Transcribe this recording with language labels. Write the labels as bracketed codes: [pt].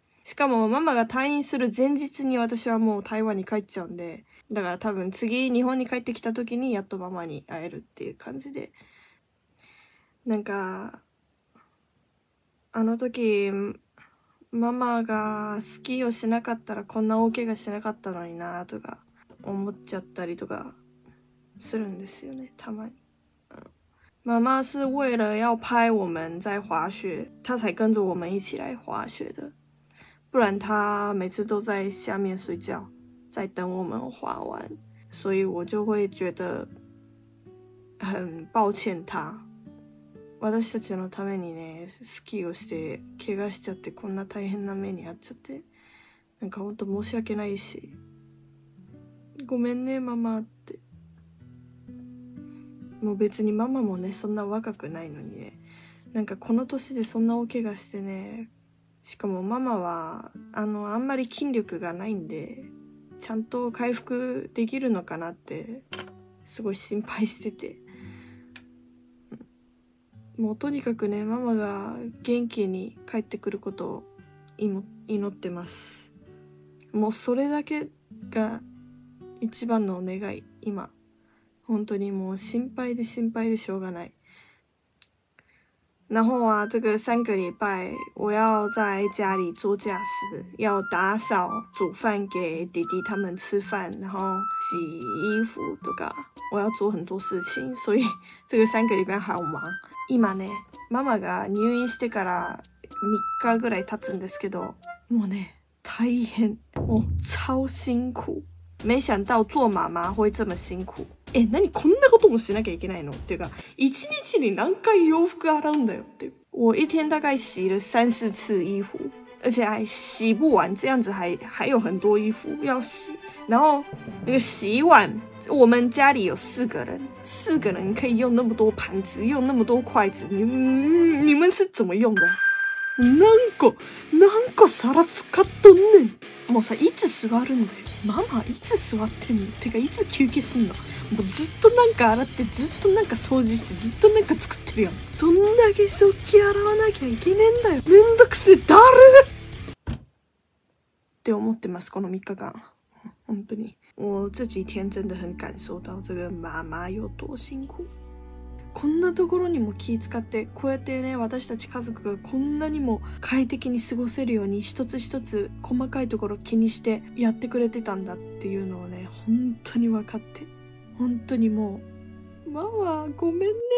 [ja] しかもママが退院する前日に私はもう台湾に帰っちゃうんで、だから多分次日本に帰ってきた時にやっとママに会えるっていう感じで、なんかあの時ママがスキーをしなかったらこんな大怪我しなかったのになとか思っちゃったりとかするんですよね、たまに。 [zh] 妈妈是为了要拍我们在滑雪，她才跟着我们一起来滑雪的，不然她每次都在下面睡觉，在等我们滑完，所以我就会觉得很抱歉她。 [ja] 私たちのためにね、スキーをして怪我しちゃってこんな大変な目に遭っちゃって、なんか本当申し訳ないし、ごめんねママって。もう別にママもね、そんな若くないのにね、なんかこの歳でそんな大怪我してね、しかもママはあんまり筋力がないんで、ちゃんと回復できるのかなってすごい心配してて、もうとにかくね、ママが元気に帰ってくることを祈ってます。もうそれだけが一番のお願い。今本当にもう心配で心配でしょうがない。 [zh] 然后啊，这个三个礼拜，我要在家里做家事，要打扫、煮饭给弟弟他们吃饭，然后洗衣服 [ja] とか， [zh] 我要做很多事情，所以这个三个礼拜好忙。 [ja] 今ね、ママが入院してから3日ぐらい経つんですけど、もうね、大変、もう [zh] 超辛苦。没想到做妈妈会这么辛苦。 [ja] え、何こんなこともしなきゃいけないのっていうか、1日に何回洋服洗うんだよって。 [zh] 我一天大概洗了三四次衣服，而且还洗不完，这样子还有很多衣服要洗。然后那个洗碗，我们家里有四个人，四个人可以用那么多盘子，用那么多筷子，你们是怎么用的？ [ja] 何個皿使っとんねん。もうさ、いつ座るんだよ。ママいつ座ってんの。てかいつ休憩すんの。もうずっとなんか洗って、ずっとなんか掃除して、ずっとなんか作ってるやん。どんだけ食器洗わなきゃいけねえんだよ。めんどくせえ、だるって思ってます。この3日間、本当に [zh] 我自己天真的很感受到这个妈妈有多辛苦。 [ja] こんなところにも気使ってこうやってね私たち家族がこんなにも快適に過ごせるように一つ一つ細かいところ気にしてやってくれてたんだっていうのをね本当に分かって本当にもうママごめんね